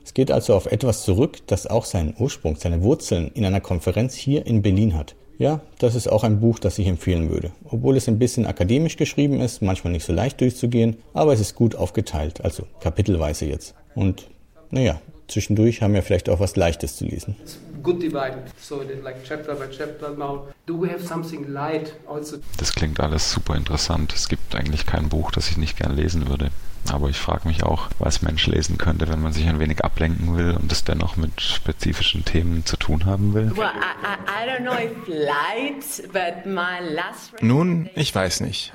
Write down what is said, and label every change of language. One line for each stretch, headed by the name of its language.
German: Es geht also auf etwas zurück, das auch seinen Ursprung, seine Wurzeln in einer Konferenz hier in Berlin hat. Ja, das ist auch ein Buch, das ich empfehlen würde. Obwohl es ein bisschen akademisch geschrieben ist, manchmal nicht so leicht durchzugehen, aber es ist gut aufgeteilt, also kapitelweise jetzt. Und naja, zwischendurch haben wir vielleicht auch was Leichtes zu lesen.
English: It's good divided, so like chapter by chapter now. Do we have something light also?
German: Das klingt alles super interessant. Es gibt eigentlich kein Buch, das ich nicht gern lesen würde. Aber ich frage mich auch, was Mensch lesen könnte, wenn man sich ein wenig ablenken will und es dennoch mit spezifischen Themen zu tun haben will. Nun, ich weiß nicht.